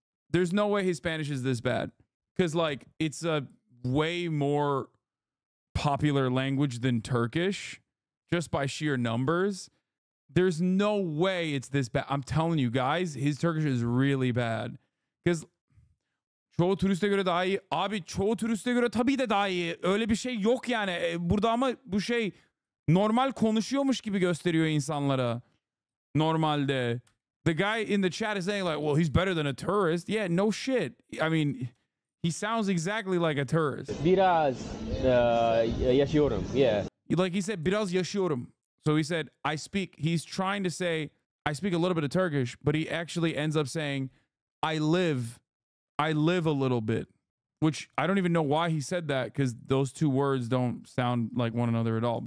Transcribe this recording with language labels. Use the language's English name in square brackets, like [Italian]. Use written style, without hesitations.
[English] There's no way his Spanish is this bad. Because, like, it's a way more popular language than Turkish. Just by sheer numbers. There's no way it's this bad. I'm telling you guys, his Turkish is really bad. Because [Turkish] çoğu turiste göre daha iyi. Abi çoğu turiste göre tabii de daha iyi. Öyle bir şey yok yani. Burada ama bu şey normal konuşuyormuş gibi gösteriyor insanlara. Normalde. [English] The guy in the chat is saying like, well, he's better than a tourist. Yeah, no shit. I mean, he sounds exactly like a tourist. [Turkish] Biraz yaşıyorum, yeah. [English] Like he said, [Turkish] biraz yaşıyorum. [English] So he said, I speak, he's trying to say, I speak a little bit of Turkish, but he actually ends up saying, I live a little bit, which I don't even know why he said that because those two words don't sound like one another at all.